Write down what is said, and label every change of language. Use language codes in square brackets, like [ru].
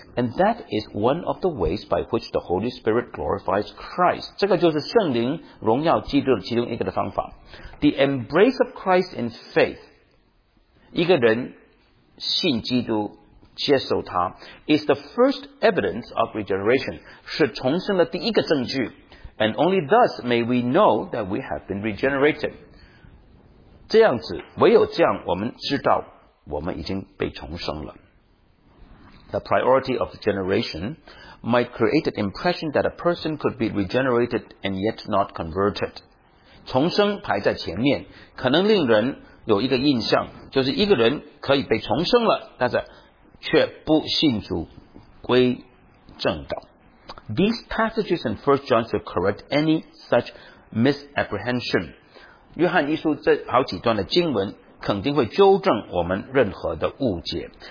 [en] And that is one of the ways by which the Holy Spirit glorifies Christ. [zh] 这个就是圣灵荣耀基督的其中一个的方法。 [en] The embrace of Christ in faith, [zh] 一个人信基督接受他， [en] is the first evidence of regeneration, [zh] 是重生的第一个证据。 [en] And only thus may we know that we have been regenerated. [zh] 这样子，唯有这样，我们知道我们已经被重生了。 [en] The priority of regeneration might create an impression that a person could be regenerated and yet not converted. [zh] 重生排在前面，可能令人有一个印象，就是一个人可以被重生了，但是却不信主归正道。 [en] These passages in 1 John should correct any such misapprehension. [zh] 约翰一书这好几段的经文肯定会纠正我们任何的误解。